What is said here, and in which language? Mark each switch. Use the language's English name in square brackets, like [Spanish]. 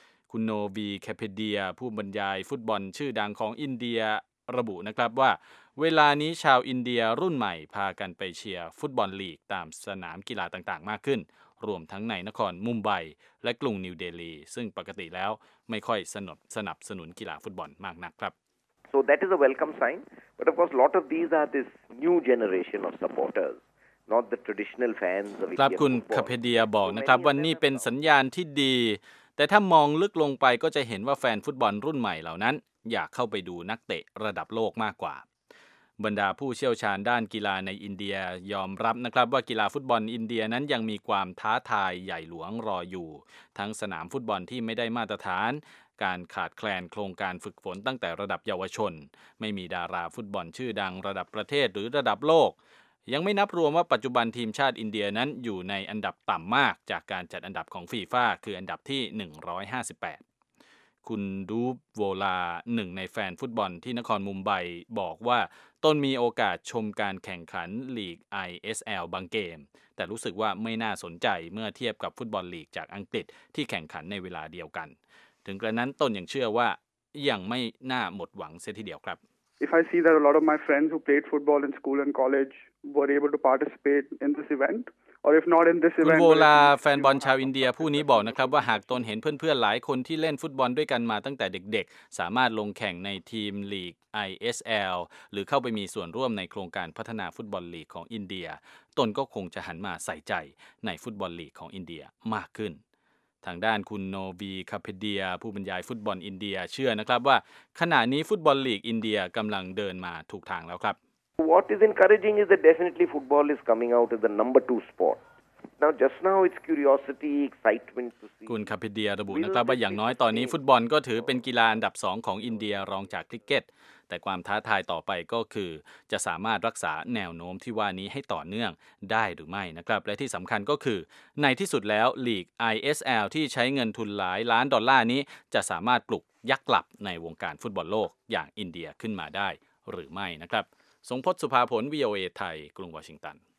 [Thai] คุณโนบีแคเปเดียผู้บรรยายฟุตบอลชื่อดังของอินเดียระบุนะครับว่าเวลานี้ชาวอินเดียรุ่นใหม่พากันไปเชียร์ฟุตบอลลีกตามสนามกีฬาต่างๆมากขึ้นรวมทั้งในนครมุมไบและกรุงนิวเดลีซึ่งปกติแล้วไม่ค่อยสนับสนุนกีฬาฟุตบอลมากนักครับ [English] So that is a welcome sign but of course lot of these are this new generation of supporters not the traditional fans of [Thai] ครับคุณคาเพเดียบอกนะครับว่านี่เป็นสัญญาณที่ดีแต่ถ้ามองลึกลงไปก็จะเห็นว่าแฟนฟุตบอลรุ่นใหม่เหล่านั้นอยากเข้าไปดูนักเตะระดับโลกมากกว่าบรรดาผู้เชี่ยวชาญด้านกีฬาในอินเดียยอมรับนะครับว่ากีฬาฟุตบอลอินเดียนั้นยังมีความท้าทายใหญ่หลวงรออยู่ทั้งสนามฟุตบอลที่ไม่ได้มาตรฐานการขาดแคลนโครงการฝึกฝนตั้งแต่ระดับเยาวชนไม่มีดาราฟุตบอลชื่อดังระดับประเทศหรือระดับโลก ยังไม่นับรวมว่าปัจจุบันทีมชาติอินเดียนั้นอยู่ในอันดับต่ำมากจากการจัดอันดับของฟีฟ่าคืออันดับที่158คุณดูบโวลาหนึ่งในแฟนฟุตบอลที่นครมุมไบบอกว่าตนมีโอกาสชมการแข่งขันลีก ISL บางเกมแต่รู้สึกว่าไม่น่าสนใจเมื่อเทียบกับฟุตบอลลีกจากอังกฤษที่แข่งขันในเวลาเดียวกันถึงกระนั้นตนยังเชื่อว่า ยังไม่น่าหมดหวังเสียทีเดียวครับ [English] If I see that a lot of my friends who played football in school and college were able to participate in this event [Thai] คุณโวลาแฟนบอลชาวอินเดียผู้นี้บอกนะครับว่าหากตนเห็นเพื่อนๆหลายคนที่เล่นฟุตบอลด้วยกันมาตั้งแต่เด็กๆสามารถลงแข่งในทีมลีก ISL หรือเข้าไปมีส่วนร่วมในโครงการพัฒนาฟุตบอลลีกของอินเดียตนก็คงจะหันมาใส่ใจในฟุตบอลลีกของอินเดียมากขึ้นทางด้านคุณโนบีคาเพเดียผู้บรรยายฟุตบอลอินเดียเชื่อนะครับว่าขณะนี้ฟุตบอลลีกอินเดียกำลังเดินมาถูกทางแล้วครับ [English] What is encouraging is that definitely football is coming out as the number two sport. Now, just now, it's curiosity, excitement to see. [Thai] คุณคาเพเดียระบุนะครับว่าอย่างน้อยตอนนี้ฟุตบอลก็ถือเป็นกีฬาอันดับ2ของอินเดียรองจากคริกเก็ตแต่ความท้าทายต่อไปก็คือจะสามารถรักษาแนวโน้มที่ว่านี้ให้ต่อเนื่องได้หรือไม่นะครับและที่สำคัญก็คือในที่สุดแล้วลีก ISL ที่ใช้เงินทุนหลายล้านดอลลาร์นี้จะสามารถปลุกยักษ์กลับในวงการฟุตบอลโลกอย่างอินเดียขึ้นมาได้หรือไม่นะครับสงพจน์สุภาผล VOA ไทยกรุงวอชิงตัน